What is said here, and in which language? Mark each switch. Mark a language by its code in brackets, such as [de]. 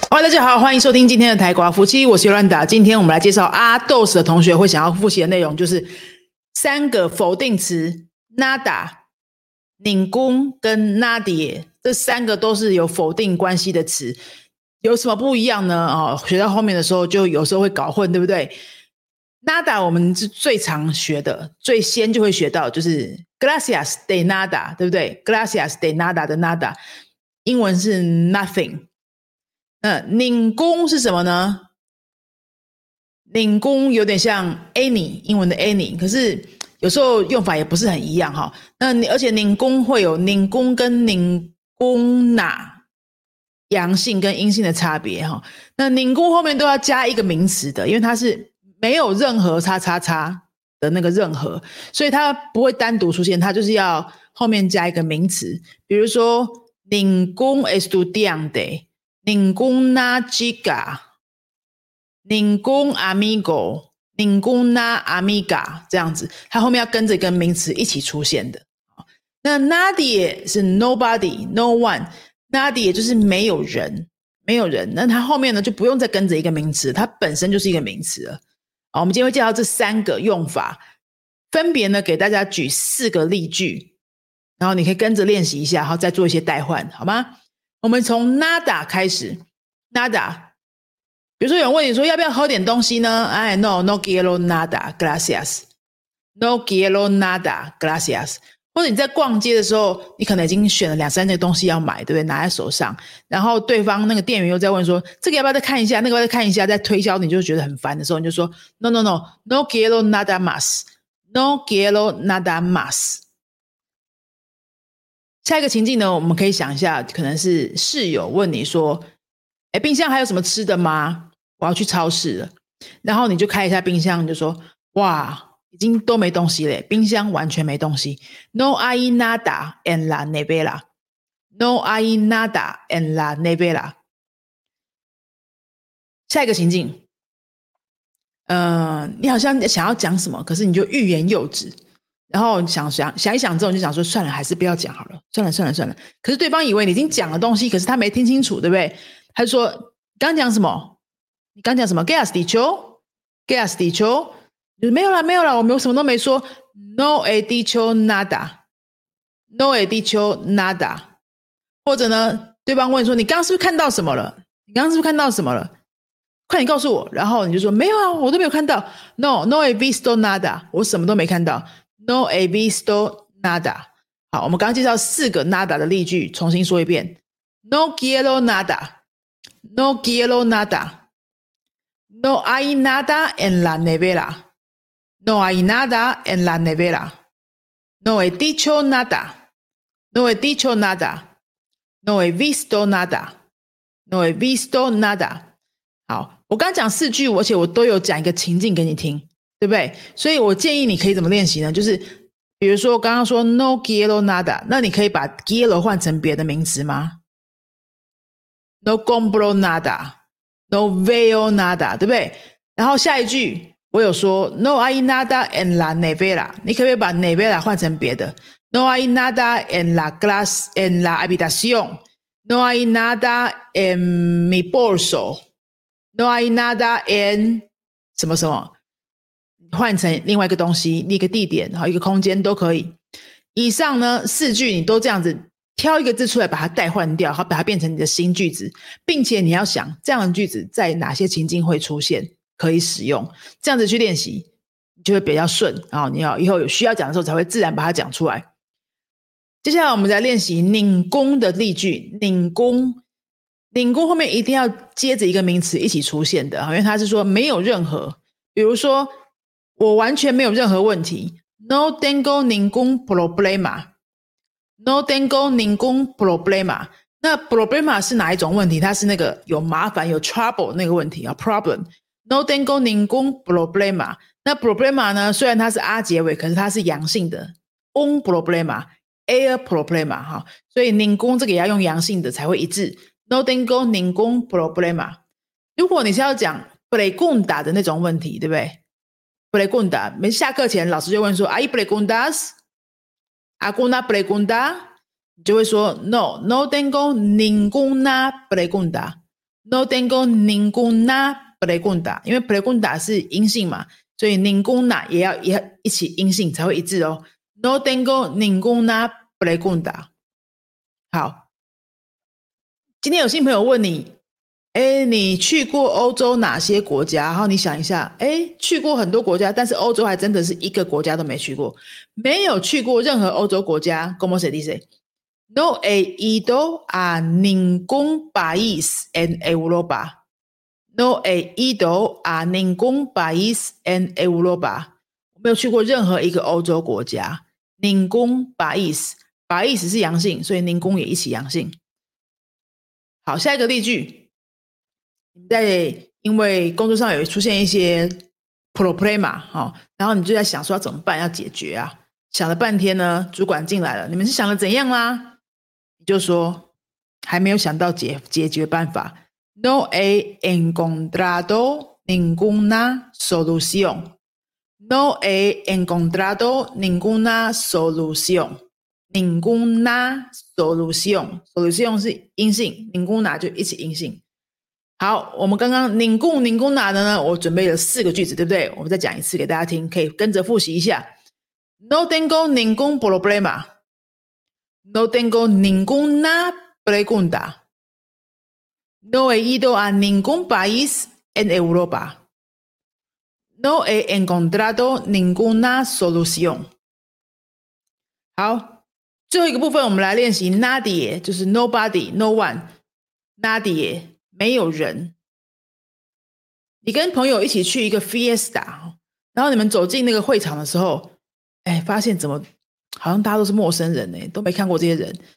[zh] 家好，欢迎收听今天的台瓜夫妻，我是尤兰达。今天我们来介绍阿豆的同学会想要复习的内容，就是三个否定词 nada、ningún 跟 nadie， 这三个都是有否定关系的词。有什么不一样呢？哦，学到后面的时候就有时候会搞混，对不对？ nada 我们是最常学的，最先就会学到，就是 [es] gracias de nada， [zh] 对不对？ [es] gracias de nada [zh] 的 nada， 英文是 nothing。那ningún是什么呢？ningún 有点像 any， 英文的 any， 可是有时候用法也不是很一样。那而且ningún会有ningún跟ninguna，阳性跟阴性的差别。那ningún后面都要加一个名词的，因为它是没有任何叉叉叉的那个任何，所以它不会单独出现，它就是要后面加一个名词。比如说 [es] ningún estudiante，Ninguna chica, ningún amigo, ninguna amiga， [zh] 这样子，它后面要跟着一个名词一起出现的。那 nadie 是 [en] nobody, no one， [zh] nadie 就是没有人，没有人。那它后面呢就不用再跟着一个名词，它本身就是一个名词了。好，我们今天会介绍这三个用法，分别呢给大家举四个例句，然后你可以跟着练习一下，然后再做一些代换，好吗？我们从 nada 开始。 nada， 比如说有人问你说要不要喝点东西呢，哎 no， [es] no quiero nada gracias， [zh] no quiero nada gracias。或者你在逛街的时候，你可能已经选了两三件东西要买，对不对？拿在手上，然后对方那个店员又在问说这个要不要再看一下，那个要不要再看一下，在推销你就觉得很烦的时候，你就说 [es] no no no， no quiero nada más， [zh] no quiero nada más。下一个情境呢，我们可以想一下，可能是室友问你说诶，冰箱还有什么吃的吗？我要去超市了。然后你就开一下冰箱，你就说哇，已经都没东西了，冰箱完全没东西。 [es] No hay nada en la nevera， No hay nada en la nevera。 [zh] 下一个情境，你好像想要讲什么，可是你就欲言又止，然后想一想之后，你就想说算了，还是不要讲好了，算了算了算了。可是对方以为你已经讲了东西，可是他没听清楚，对不对？他就说刚讲什么，你刚讲什么 ？ [es] ¿Qué has dicho? ¿Qué has dicho? [zh] 就没有啦没有啦，我什么都没说。 [es] No he dicho nada， No he dicho nada。 [zh] 或者呢，对方问说你刚刚是不是看到什么了，你刚刚是不是看到什么了，快点告诉我。然后你就说没有啊，我都没有看到。 [es] No， No he visto nada， [zh] 我什么都没看到。 [es] No he visto nada。 [zh] 好，我们刚刚介绍四个 nada 的例句，重新说一遍。 [es] No quiero nada， No quiero nada， No hay nada en la nevera， No hay nada en la nevera， No he dicho nada， No he dicho nada， No he visto nada， No he visto nada。 [zh] 好，我刚讲四句，而且我都有讲一个情境给你听，对不对？所以我建议你可以怎么练习呢，就是比如说刚刚说 [es] no quiero nada， [zh] 那你可以把 quiero 换成别的名词吗？ [es] no compro nada， no veo nada， [zh] 对不对？然后下一句我有说 [es] no hay nada en la nevera， [zh] 你可不可以把 nevera 换成别的？ [es] no hay nada en la glass en la habitación， no hay nada en mi bolso， no hay nada en [zh] 什么什么，换成另外一个东西，一个地点，一个空间都可以。以上呢四句你都这样子挑一个字出来把它代换掉，好，把它变成你的新句子，并且你要想这样的句子在哪些情境会出现可以使用，这样子去练习你就会比较顺，然后你要以后有需要讲的时候才会自然把它讲出来。接下来我们再练习ningún的例句。ningún，ningún后面一定要接着一个名词一起出现的，因为它是说没有任何，比如说我完全没有任何问题， [es] No tengo ningún problema， [zh] No tengo ningún problema。那 problema 是哪一种问题？它是那个有麻烦有 trouble 那个问题啊， problem。 [es] No tengo ningún problema， [zh] 那 problema 呢虽然它是 R 结尾，可是它是阳性的， [es] un problema， [zh] air problema， 所以 ningún 这个也要用阳性的才会一致， No tengo ningún problema。如果你是要讲 pregunta 的那种问题，对不对？ pregunta， 没下课前老师就问说 [es] ¿Hay preguntas? ¿Alguna pregunta? [zh] 就会说 [es] No, no tengo ninguna pregunta， [zh] No tengo ninguna pregunta， 因为 pregunta 是阴性嘛，所以 ninguna 也要一起阴性才会一致哦。 [es] No tengo ninguna pregunta。 [zh] 好，今天有新朋友问你，哎，你去过欧洲哪些国家？然后你想一下，哎，去过很多国家，但是欧洲还真的是一个国家都没去过，没有去过任何欧洲国家。 [es] ¿Cómo se dice? No he ido a ningún país en Europa. No he ido a ningún país en Europa. [zh] 我没有去过任何一个欧洲国家。Ningún país, país 是阳性，所以ningún也一起阳性。好，下一个例句。在因为工作上有出现一些 problema、哦、然后你就在想说要怎么办，要解决啊，想了半天呢，主管进来了，你们是想了怎样啦，你就说还没有想到 解决办法。 [es] No he encontrado ninguna solución. No he encontrado ninguna solución. Ninguna solución. [zh] Solución 是阴性， ninguna 就一起阴性。好，我们刚刚ninguna的呢，我准备了四个句子，对不对？我们再讲一次给大家听，可以跟着复习一下。 [es] No tengo ningún problema. No tengo ninguna pregunta. No he ido a ningún país en Europa. No he encontrado ninguna solución. [zh] 好，最后一个部分我们来练习 nadie， 就是 [en] nobody, no one, [zh] nadie。没有人，你跟朋友一起去一个 fiesta， 然后你们走进那个会场的时候，哎，发现怎么好像大家都是陌生人呢，都没看过这些人。